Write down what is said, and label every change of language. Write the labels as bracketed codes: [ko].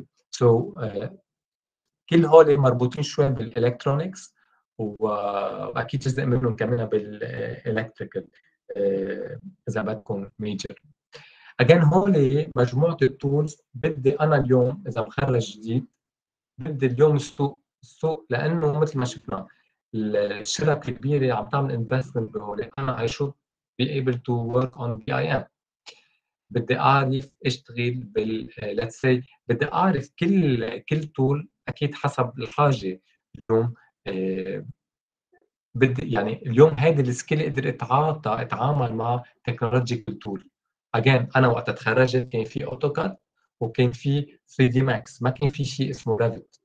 [ar] سو كل هول مربوطين شوي بالالكترونكس, واكيد جزء منهم كمان بالالكتريكال اذا بدكم ميجر. اجين هول مجموعه التولز بدي انا اليوم اذا مخرج جديد بدي اليوم السوق, لانه مثل ما شفنا الشركة الكبيرة عم تعمل investment بهول. [en] أنا I should be able to work on BIM. [ar] بدي أعرف اشتغل بال [en] let's say [ar] بدي أعرف كل tool أكيد حسب الحاجة اليوم. بدي يعني اليوم هذا السكيل أقدر أتعامل مع [en] technological tool. [ar] Again أنا وقت تخرجت كان في AutoCAD وكان في 3D Max, ما كان في شيء اسمه Revit.